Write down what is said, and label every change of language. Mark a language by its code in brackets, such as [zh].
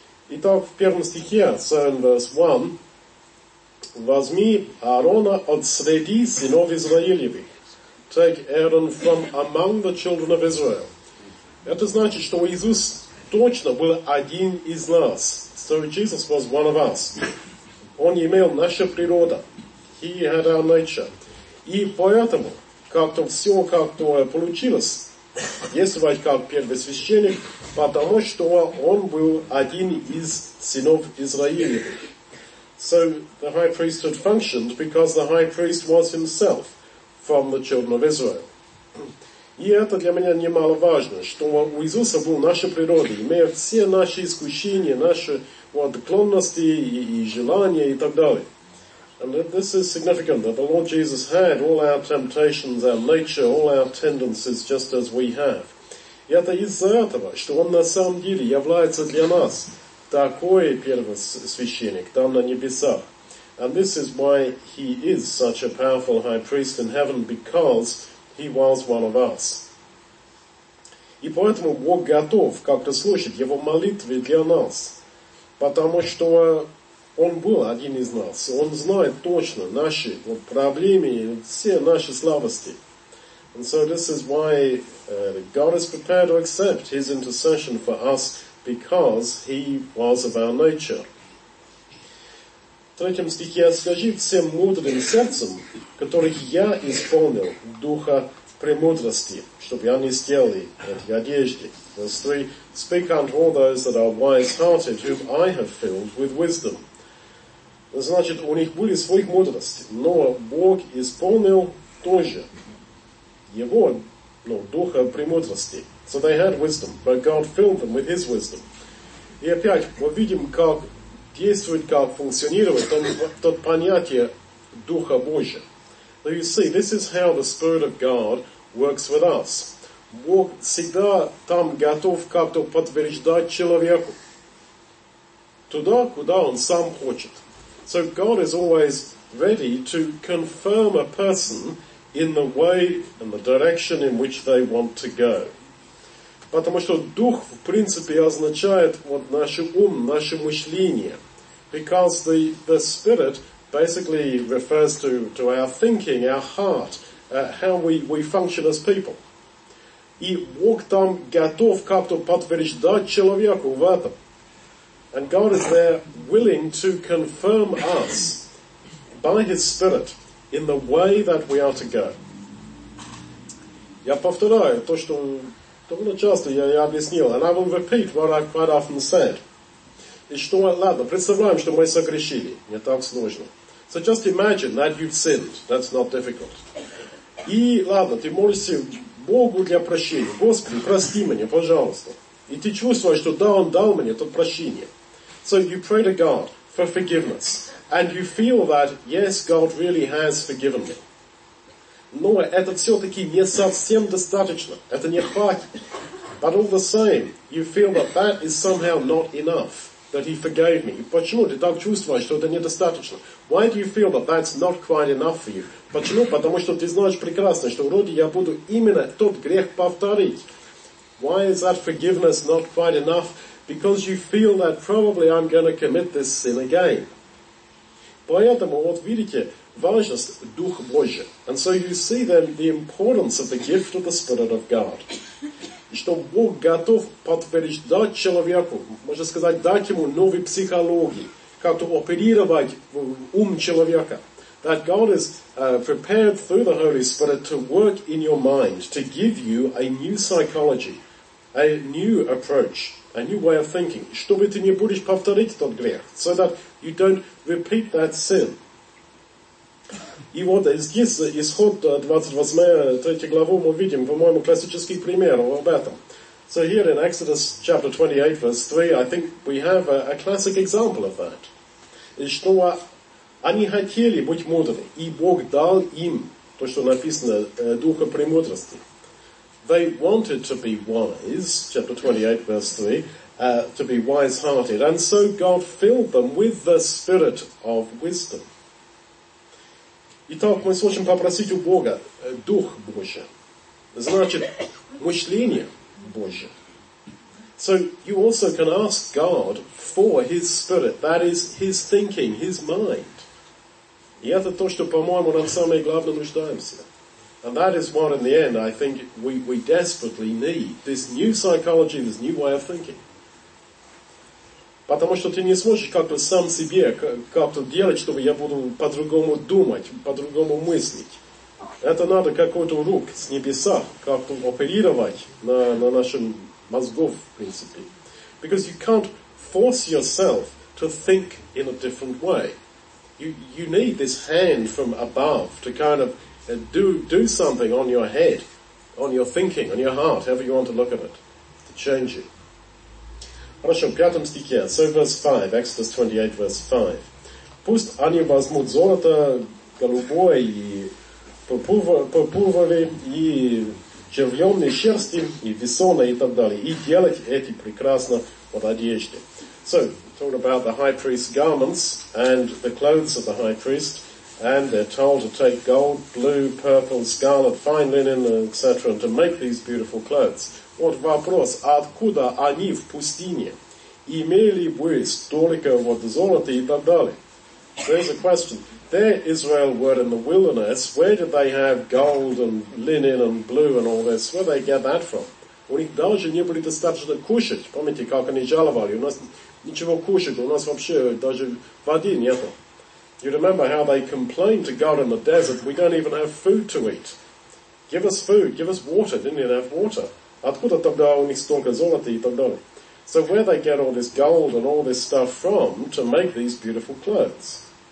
[ru] Итак, в первом стихе, [en] so in verse 1, [ru] возьми Аарона от среди сынов Израилевых. [en] Take Aaron from among the children of Israel. [ru] Это значит, что Иисус точно был один из нас. [en] So Jesus was one of us. [ru] Он имел наша природа. [en] He had our nature. [ru] И поэтому, как-то все как-то получилось, действовать как первосвященник, потому что он был один из сынов Израиля. [en] So the high priesthood functioned because the high priest was himself from the children of Israel. [ru] И это для меня немаловажно, что у Иисуса был наша природа, имея все наши искушения, наши отклонности и желания и так далее. [en] And this is significant that the Lord Jesus had all our temptations, our nature, all our tendencies, just as we have. [ru] И это из-за этого, что Он на самом деле является для нас такой первосвященник там на небесах. [en] And this is why He is such a powerful high priest in heaven, because He was one of us. [ru] И поэтому Бог готов как-то слушать Его молитвы для нас, потому что Он был один из нас. Он знает точно наши вот проблемы, все наши слабости. [en] And so this is why God is prepared to accept His intercession for us, because He was of our nature. [ru] В третьем стихе, скажи всем мудрым сердцем, которых я исполнил духа премудрости, чтобы они сделали эти одежды. [en] Verse 3, speak unto all those that are wise-hearted, whom I have filled with wisdom. [ru] Значит, у них были свои мудрости, но Бог исполнил тоже его, ну, духа премудрости. [en] So they had wisdom, but God filled them with His wisdom. [ru] И опять, мы видим, как действует, как функционирует тот понятие Духа Божия. [en] So you see, this is how the Spirit of God works with us. [ru] Бог всегда там готов как-то подтверждать человеку туда, куда он сам хочет. [en] So God is always ready to confirm a person in the way and the direction in which they want to go. [ru] Потому что Дух, в принципе, означает вот наш ум, наше мышление. [en] Because the Spirit basically refers to our thinking, our heart, how we function as people. [ru] И Бог там готов как-то подтверждать человеку в этом. [en] And God is there willing to confirm us by His Spirit in the way that we are to go. [ru] Я повторяю то, что довольно часто я объяснил. [en] And I will repeat what I've quite often said. [ru] И что, ладно, представляем, что мы согрешили. Не так сложно. [en] So just imagine that you've sinned. That's not difficult. [ru] И, ладно, ты молишься Богу для прощения. Господи, прости меня, пожалуйста. И ты чувствуешь, что да, Он дал мне то прощение. [en] So you pray to God for forgiveness. And you feel that, yes, God really has forgiven me. [ru] Но это все-таки не совсем достаточно. Это не хватит. [en] But all the same, you feel that that is somehow not enough. That He forgave me. [ru] Почему ты так чувствуешь, что это недостаточно? [en] Why do you feel that that's not quite enough for you? [ru] Почему? Потому что ты знаешь прекрасно, что вроде я буду именно тот грех повторить. [en] Why is that forgiveness not quite enough? Because you feel that probably I'm going to commit this sin again. [ru] Поэтому, вот видите, важность Духа Божия. [en] And so you see then the importance of the gift of the Spirit of God. [ru] Что Бог готов подтверждать человеку, можно сказать, дать ему новую психологию, как-то оперировать в ум человека. [en] That God is prepared through the Holy Spirit to work in your mind, to give you a new psychology, a new approach, a new way of thinking. [ru] Чтобы ты не будешь повторить тот грех, [en] so that you don't repeat that sin. [ru] И вот здесь исход 28-3 главу мы видим, по-моему, классический пример об этом. [en] So here in Exodus chapter 28, verse 3, I think we have a classic example of that. [ru] Что они хотели быть мудрыми, и Бог дал им то, что написано, Духа премудрости. [en] They wanted to be wise, chapter 28, verse 3, to be wise-hearted. And so God filled them with the Spirit of wisdom. [ru] Итак, мы сможем попросить у Бога Дух Божий. Значит, мышление Божие. [en] So, you also can ask God for His Spirit. That is, His thinking, His mind. [ru] И это то, что, по-моему, нам самое главное нуждаемся. [en] And that is what, in the end, I think we desperately need. This new psychology, this new way of thinking. [ru] Потому что ты не сможешь как-то сам себе как-то делать, чтобы я буду по-другому думать, по-другому мыслить. Это надо какой-то рук с небеса как-то оперировать на нашем мозгу, в принципе. [en] Because you can't force yourself to think in a different way. You need this hand from above to kind of do something on your head, on your thinking, on your heart, however you want to look at it, to change it. [ru] Хорошо, в пятом стихе, [en] so verse 5, Exodus 28, verse 5. [ru] Пусть они возьмут золото голубое и пурпуровое, и червленые шерсти, и весоны, и так далее, и делать эти прекрасно под одежды. [en] So, talking about the high priest's garments and the clothes of the high priest, and they're told to take gold, blue, purple, scarlet, fine linen, etc., and to make these beautiful clothes. [ru] Вот вопрос, откуда они в пустыне? Имели бы столько вот золота и так далее? [en] There's a question. There Israel were in the wilderness. Where did they have gold and linen and blue and all this? Where did they get that from? [ru] У них даже не были достаточно кушать. Помните, как они жаловали? У нас ничего кушать, у нас вообще даже воды нету. [en] You remember how they complained to God in the desert, we don't even have food to eat. Give us food, give us water. Didn't even have water. [ru] Откуда тогда у них столько золота и так далее? [en] So where they get all this gold and all this stuff from to make these beautiful clothes?